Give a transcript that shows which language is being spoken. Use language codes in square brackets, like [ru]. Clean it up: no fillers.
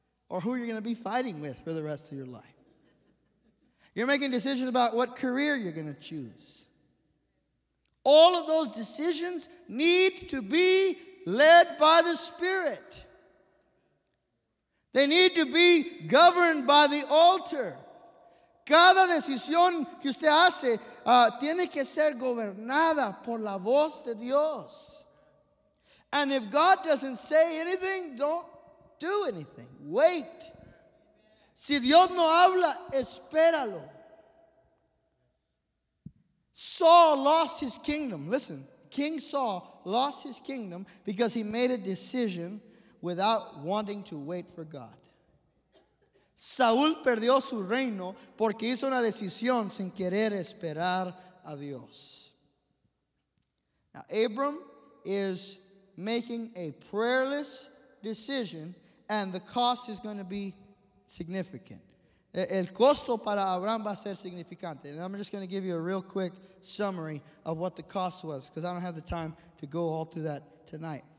[en] Or who you're going to be fighting with for the rest of your life. You're making decisions about what career you're going to choose. All of those decisions need to be led by the Spirit. They need to be governed by the altar. [es] Cada decisión que usted hace tiene que ser gobernada por la voz de Dios. [en] And if God doesn't say anything, don't do anything. Wait. [es] Si Dios no habla, espéralo. [en] Saul lost his kingdom. Listen, King Saul lost his kingdom because he made a decision without wanting to wait for God. [es] Saul perdió su reino porque hizo una decisión sin querer esperar a Dios. [en] Now, Abram is making a prayerless decision, and the cost is going to be significant. [es] El costo para Abraham va a ser significante. [en] And I'm just going to give you a real quick summary of what the cost was, because I don't have the time to go all through that tonight.